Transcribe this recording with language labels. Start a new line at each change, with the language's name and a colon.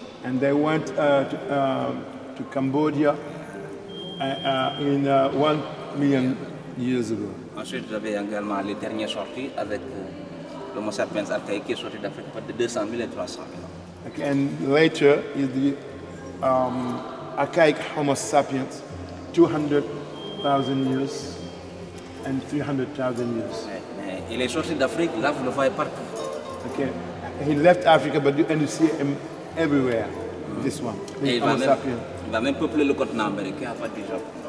English: And they went to Cambodia in 1 million years ago.
French: Ensuite, vous avez également les dernières sorties avec l'Homo sapiens archaïque qui est sorti d'Afrique de 200 000 et 300 000 ans.
English: Okay, and later is the archaic Homo sapiens, 200,000 years and 300,000 years.
French: Il est sorti d'Afrique, là vous le voyez partout.
English: Okay, he left Africa, but you see him everywhere, this one, this Homo sapiens.
French: Il va même peupler le continent américain à partir du Japon.